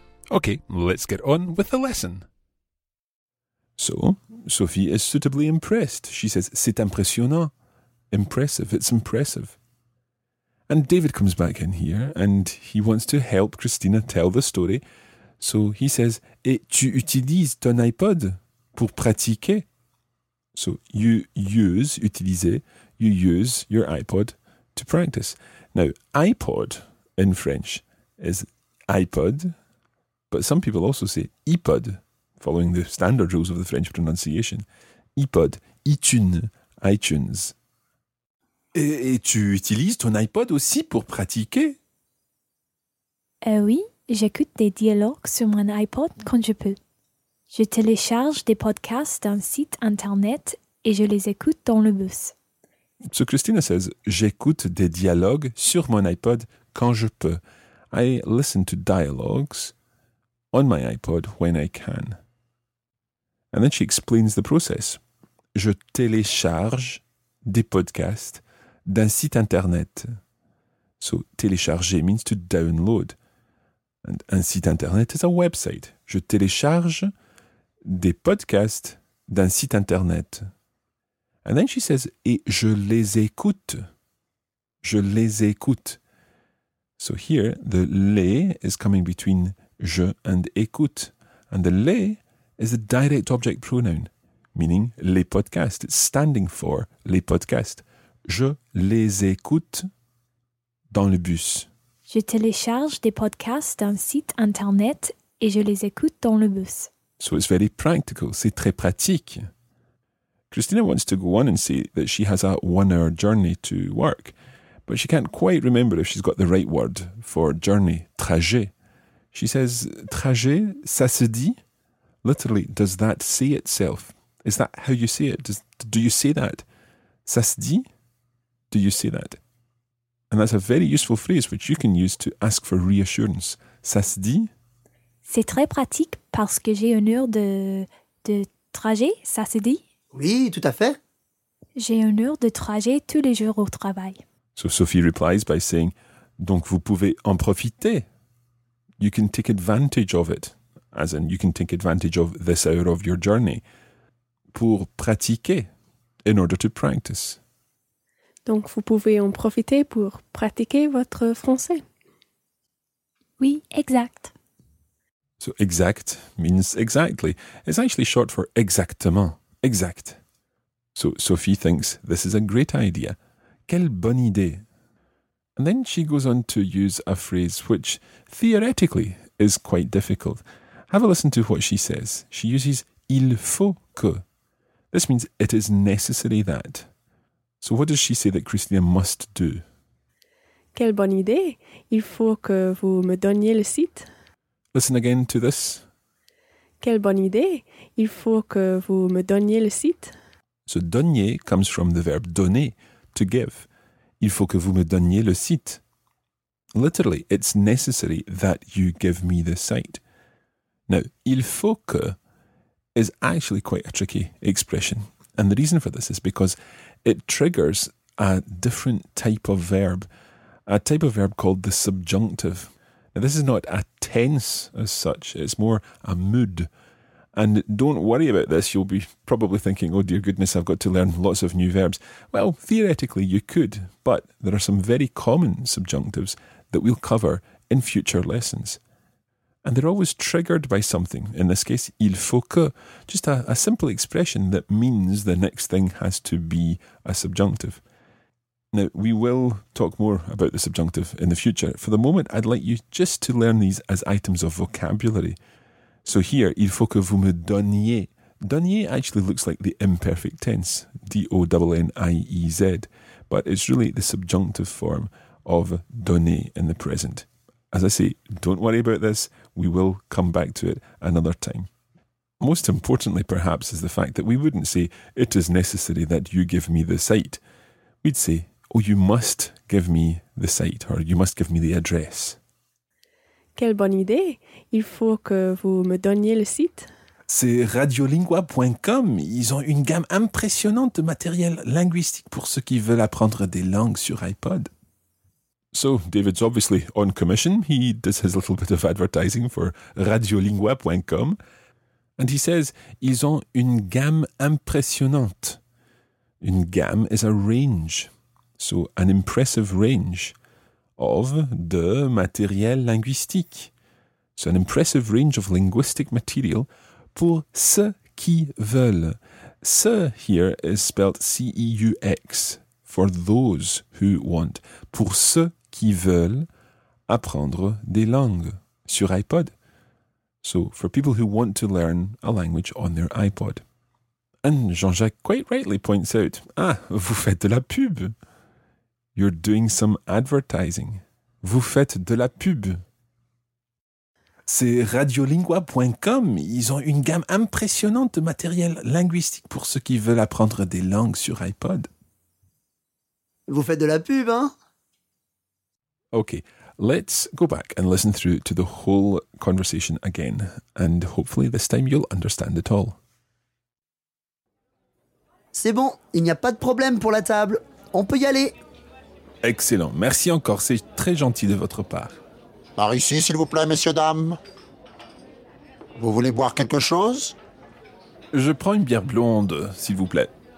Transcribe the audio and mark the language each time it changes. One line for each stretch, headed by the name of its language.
English: Okay, let's get on with the lesson. So, Sophie is suitably impressed. She says,
French: c'est impressionnant.
English: Impressive, it's impressive. And David comes back in here and he wants to help Christina tell the story. So he says,
French: et tu utilises ton iPod pour pratiquer?
English: So you use, utiliser, you use your iPod to practice. Now, iPod in French is iPod. But some people also say iPod, following the standard rules of the French pronunciation. iPod, iTunes, iTunes.
French: Et tu utilises ton iPod aussi pour pratiquer? Oui, j'écoute des dialogues sur mon iPod quand je peux. Je télécharge des podcasts d'un site internet et je les écoute dans le bus.
English: So Christina says,
French: j'écoute des dialogues sur mon iPod quand je peux.
English: I listen to dialogues on my iPod when I can. And then she explains the process.
French: Je télécharge des podcasts d'un site internet.
English: So télécharger means to download. And un site internet is a website.
French: Je télécharge des podcasts d'un site internet.
English: And then she says,
French: et je les écoute. Je les écoute.
English: So here, the les is coming between je and écoute. And the les is a direct object pronoun, meaning les podcasts. It's standing for les podcasts.
French: Je les écoute dans le bus. Je télécharge des podcasts d'un site internet et je les écoute dans le bus.
English: So it's very practical.
French: C'est très pratique.
English: Christina wants to go on and say that she has a one-hour journey to work, but she can't quite remember if she's got the right word for journey, trajet. She says, trajet,
French: ça se dit?
English: Literally, does that say itself? Is that how you say it? Do you say that?
French: Ça se dit?
English: Do you say that? And that's a very useful phrase which you can use to ask for reassurance.
French: Ça se dit? C'est très pratique parce que j'ai une heure de trajet, ça se dit? Oui, tout à fait. J'ai une heure de trajet tous les jours au travail.
English: So Sophie replies by saying,
French: donc vous pouvez en profiter.
English: You can take advantage of it, as in you can take advantage of this hour of your journey,
French: pour pratiquer,
English: in order to practice.
French: Donc vous pouvez en profiter pour pratiquer votre français. Oui, exact.
English: So exact means exactly. It's actually short for exactement, exact. So Sophie thinks this is a great idea.
French: Quelle bonne idée.
English: And then she goes on to use a phrase which, theoretically, is quite difficult. Have a listen to what she says. She uses
French: il faut que.
English: This means it is necessary that. So what does she say that Christina must do?
French: Quelle bonne idée. Il faut que vous me donniez le site.
English: Listen again to this.
French: Quelle bonne idée. Il faut que vous me donniez le site.
English: So donner comes from the verb donner, to give.
French: Il faut que vous me donniez le site.
English: Literally, it's necessary that you give me the site. Now,
French: il faut que
English: is actually quite a tricky expression. And the reason for this is because it triggers a different type of verb, a type of verb called the subjunctive. Now, this is not a tense as such, it's more a mood. And don't worry about this, you'll be probably thinking, oh dear goodness, I've got to learn lots of new verbs. Well, theoretically you could, but there are some very common subjunctives that we'll cover in future lessons. And they're always triggered by something, in this case,
French: il faut que,
English: just a simple expression that means the next thing has to be a subjunctive. Now, we will talk more about the subjunctive in the future. For the moment, I'd like you just to learn these as items of vocabulary. So here,
French: il faut que vous me donniez.
English: Donniez actually looks like the imperfect tense, D-O-N-N-I-E-Z, but it's really the subjunctive form of donner in the present. As I say, don't worry about this, we will come back to it another time. Most importantly, perhaps, is the fact that we wouldn't say, it is necessary that you give me the site. We'd say, oh, you must give me the site, or you must give me the address.
French: Quelle bonne idée! Il faut que vous me donniez le site. C'est radiolingua.com. Ils ont une gamme impressionnante de matériel linguistique pour ceux qui veulent apprendre des langues sur iPod.
English: So, David's obviously on commission. He does his little bit of advertising for radiolingua.com. And he says,
French: ils ont une gamme impressionnante.
English: Une gamme is a range. So, an impressive range of
French: de matériel linguistique.
English: So, an impressive range of linguistic material
French: pour ceux qui veulent.
English: Ce here is spelled C-E-U-X, for those who want.
French: Pour ceux qui veulent apprendre des langues sur iPod.
English: So, for people who want to learn a language on their iPod. And Jean-Jacques quite rightly points out,
French: ah, vous faites de la pub.
English: You're doing some advertising.
French: Vous faites de la pub. C'est radiolingua.com. Ils ont une gamme impressionnante de matériel linguistique pour ceux qui veulent apprendre des langues sur iPod. Vous faites de la pub, hein?
English: Okay, let's go back and listen through to the whole conversation again, and hopefully this time you'll understand it all.
French: C'est bon, il n'y a pas de problème pour la table. On peut y aller. Excellent, merci encore, c'est très gentil de votre part. Par ici, s'il vous plaît, messieurs, dames. Vous voulez boire quelque chose? Je prends une bière blonde, s'il vous plaît.